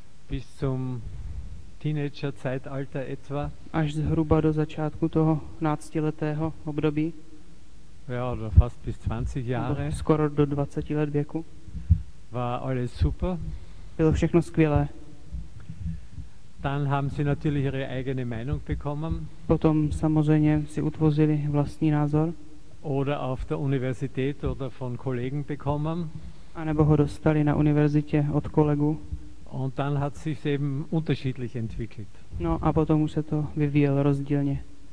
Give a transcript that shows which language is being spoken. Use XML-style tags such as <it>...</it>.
<de>bis zum Teenager-Zeitalter etwa,</de> <cs>až zhruba do začátku toho náctiletého období,</cs> <de>ja, oder fast bis 20 Jahre,</de> <cs>skoro do 20 let věku,</cs> <de>war alles super.</de> <cs>Bylo všechno skvělé.</cs> <de>Dann haben sie natürlich ihre eigene Meinung bekommen.</de> <cs>Potom samozřejmě si utvořili vlastní názor.</cs> <de>Oder auf der Universität oder von Kollegen bekommen.</de> <cs>A nebo ho dostali na univerzitě od kolegu.</cs> <de>Und dann hat sich eben unterschiedlich entwickelt.</de> <cs>No, a potom už se to vyvíjelo rozdílně.</cs>